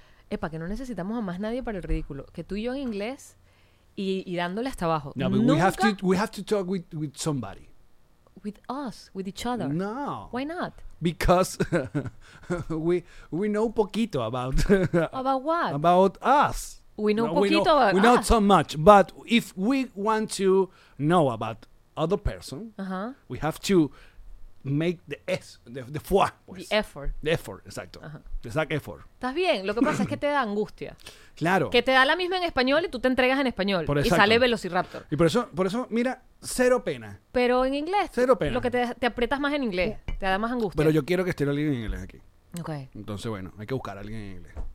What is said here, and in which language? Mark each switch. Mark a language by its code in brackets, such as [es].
[es] Epa, que no necesitamos a más nadie para el ridículo. Que tú y yo en inglés y dándole hasta abajo. [en] No, but we have to talk with somebody. With us, with each other. No. Why not? Because we know poquito about... about what? About us. We know poquito about us. We know so much. But if we want to know about other person, we have to make the foie, pues. The effort, [es] exacto. [en] Uh-huh. Exact effort. [es] Estás bien, lo que pasa es que te da angustia. Claro. Que te da la misma en español y tú te entregas en español. Por y exacto. Sale Velociraptor. Y por eso, mira, cero pena. Pero en inglés. Cero pena. Lo que te aprietas más en inglés, te da más angustia. Pero yo quiero que esté alguien en inglés aquí. Ok. Entonces, bueno, hay que buscar a alguien en inglés.